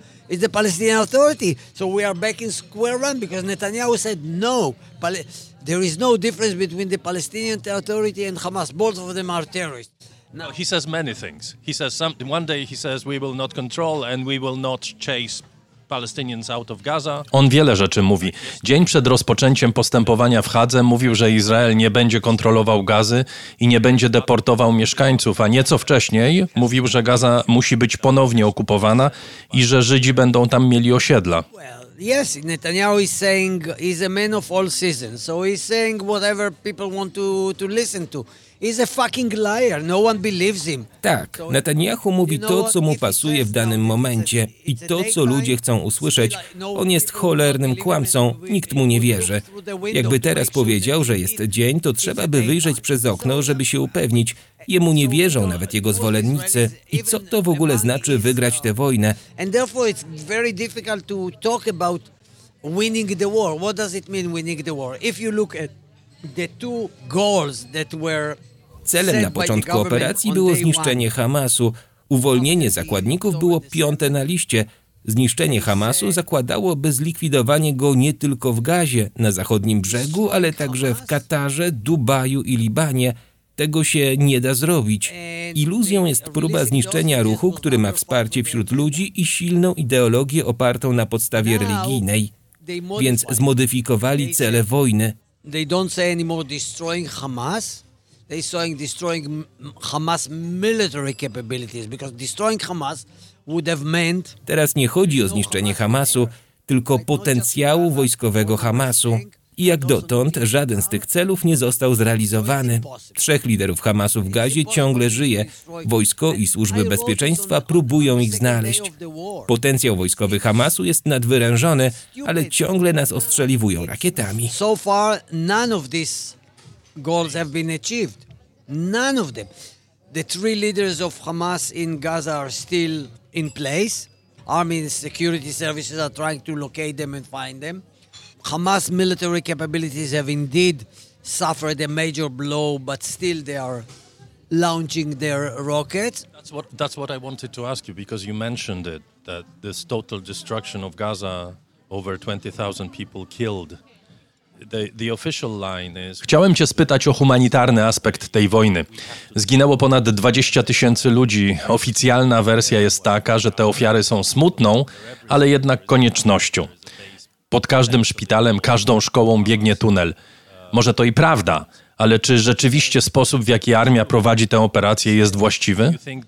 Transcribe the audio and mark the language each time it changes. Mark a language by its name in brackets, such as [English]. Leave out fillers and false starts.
[English] It's the Palestinian Authority. So we are back in square one because Netanyahu said no. There is no difference between the Palestinian Authority and Hamas. Both of them are terrorists. No, he says many things. He says something. One day he says we will not control and we will not chase Palestinians out of Gaza. [Polish] On wiele rzeczy mówi. Dzień przed rozpoczęciem postępowania w Hadze mówił, że Izrael nie będzie kontrolował Gazy i nie będzie deportował mieszkańców, a nieco wcześniej mówił, że Gaza musi być ponownie okupowana i że Żydzi będą tam mieli osiedla. [English] Yes, Netanyahu is saying he's a man of all seasons. So he's saying whatever people want to listen to. He's a fucking liar. No one believes him. [Polish] Tak, Netanyahu mówi to, co mu pasuje w danym momencie i to, co ludzie chcą usłyszeć. On jest cholernym kłamcą, nikt mu nie wierzy. Jakby teraz powiedział, że jest dzień, to trzeba by wyjrzeć przez okno, żeby się upewnić. Jemu nie wierzą nawet jego zwolennicy. I co to w ogóle znaczy wygrać tę wojnę? [English] And therefore it's very difficult to talk about winning the war. What does it mean winning the war? If you look at the two goals that were [Polish] celem na początku operacji było zniszczenie Hamasu. Uwolnienie zakładników było piąte na liście. Zniszczenie Hamasu zakładałoby zlikwidowanie go nie tylko w Gazie, na zachodnim brzegu, ale także w Katarze, Dubaju i Libanie. Tego się nie da zrobić. Iluzją jest próba zniszczenia ruchu, który ma wsparcie wśród ludzi i silną ideologię opartą na podstawie religijnej. Więc zmodyfikowali cele wojny. They don't say anymore destroying Hamas. They saying destroying Hamas military capabilities because destroying Hamas would have meant. Teraz nie chodzi o zniszczenie Hamasu, tylko potencjału wojskowego Hamasu. I jak dotąd żaden z tych celów nie został zrealizowany. Trzech liderów Hamasu w Gazie ciągle żyje. Wojsko i służby bezpieczeństwa próbują ich znaleźć. Potencjał wojskowy Hamasu jest nadwyrężony, ale ciągle nas ostrzeliwują rakietami. [English] So far none of these goals have been achieved. None of them. The three leaders of Hamas in Gaza are still in place. Army and security services are trying to locate them and find them. Hamas military capabilities have indeed suffered a major blow, but still they are launching their rockets. That's what I wanted to ask you, because you mentioned it, that this total destruction of Gaza, over 20,000 people killed. The official line is... [Polish] Chciałem cię spytać o humanitarny aspekt tej wojny. Zginęło ponad 20 tysięcy ludzi. Oficjalna wersja jest taka, że te ofiary są smutną, ale jednak koniecznością. Pod każdym szpitalem, każdą szkołą biegnie tunel. Może to i prawda, ale czy rzeczywiście sposób, w jaki armia prowadzi tę operację, jest właściwy?